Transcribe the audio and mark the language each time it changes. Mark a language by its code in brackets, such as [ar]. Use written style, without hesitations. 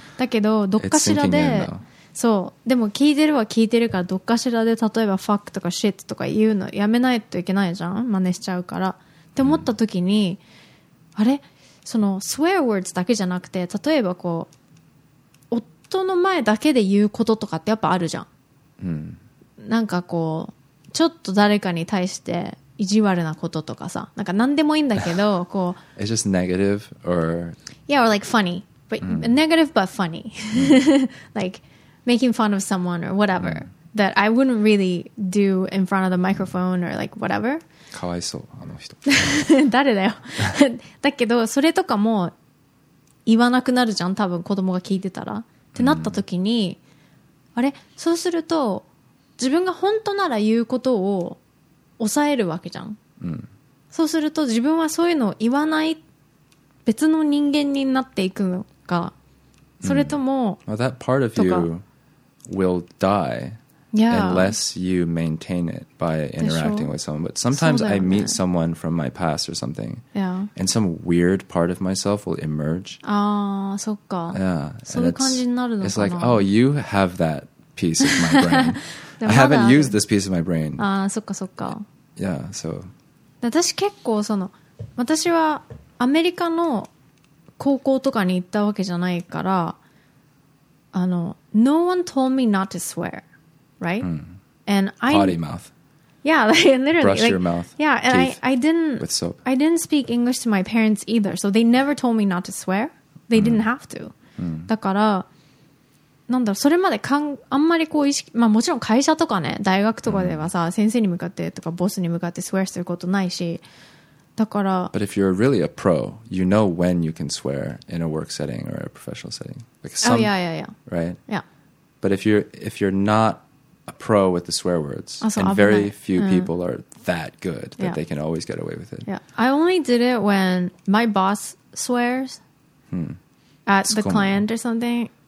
[ja] だけどどっかしらで、そう、でも聞いてるは聞いてるから、どっかしらで例えばファックとかシットとか言うのやめないといけないじゃん、真似しちゃうからって思った時に、あれ、そのスウェアワードだけじゃなくて、例えばこう夫の前だけで言うこととかってやっぱあるじゃん、なんかこうちょっと誰かに対して意地悪なこととかさ、なんか何でもいいんだけどこう [en] It's just negative or Yeah, or like funny but、negative but funny、Like making fun of someone or whatever、that I wouldn't really do in front of the microphone、or like whatever。 [ja] かわいそう、あの人誰だよだけどそれとかも言わなくなるじゃん、多分子供が聞いてたらってなった時に、あれ、そうすると自分が本当なら言うことを抑えるわけじゃん、そうすると自分はそういうのを言わない別の人間になっていくのか、それとも、 [en] well, that part of you will die、unless you maintain it by interacting with someone. But sometimes、I meet someone from my past or something、and some weird part of myself will emerge. [ja] Ah, そっか。そういう感じになるのかな。 [en] It's like, oh, you have that piece of my brain. I haven't used this piece of my brain. [ja] Ah, そっかそっか。 [en] Yeah, so. [ja] 私結構その、私はアメリカの高校とかに行ったわけじゃないから、あの、 [en] No one told me not to swear. Right? And I potty mouth. Yeah, like, literally. Brush like, your mouth. Yeah, and I didn't with soap. I didn't speak English to my parents either, so they never told me not to swear. They didn't have to. [ja] だから、なんだろう、それまでかん、あんまりこう意識、まあもちろん会社とかね、大学とかではさ、先生に向かってとかボスに向かって swear することないし、だから。 [en] But if you're really a pro, you know when you can swear in a work setting or a professional setting. Like some, yeah. Right? Yeah. But if you're not. A pro with the swear words. And very few people are that good that they can always get away with it. Yeah. I only did it when my boss swears at the client or something.